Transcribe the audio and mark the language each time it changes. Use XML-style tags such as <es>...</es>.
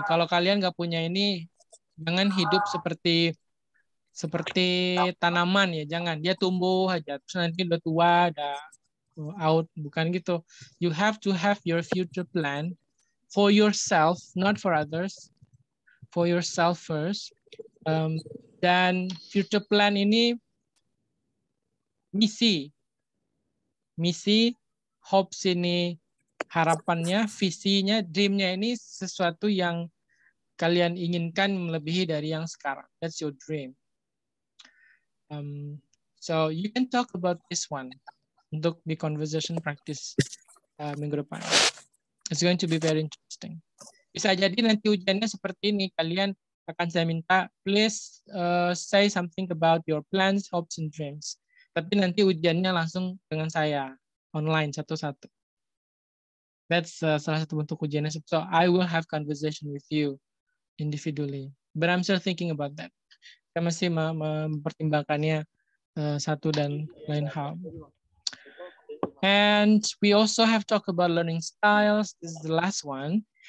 <id>Kalau kalian nggak punya ini, jangan hidup seperti tanaman ya, jangan dia tumbuh aja terus nanti udah tua udah out, bukan gitu.</id> <en>You have to have your future plan for yourself, not for others, for yourself first.</en> <id>Dan future plan ini misi hopes ini harapannya, visinya, dreamnya ini sesuatu yang kalian inginkan melebihi dari yang sekarang.</id> <en>That's your dream. So you can talk about this one</en> <id>untuk di</id> <en>conversation practice</en> <id>minggu depan.</id> <en>It's going to be very interesting.</en> <id>Bisa jadi nanti ujiannya seperti ini. Kalian akan saya minta</id> <en>please say something about your plans, hopes, and dreams.</en> <id>Tapi nanti ujiannya langsung dengan saya online satu-satu. That's salah satu bentuk ujiannya.</id> <en>So I will have conversation with you individually. But I'm still thinking about that.</en> <id>Saya masih mempertimbangkannya satu dan lain hal.</id> <en>And we also have talked about learning styles. This is the last one.</en>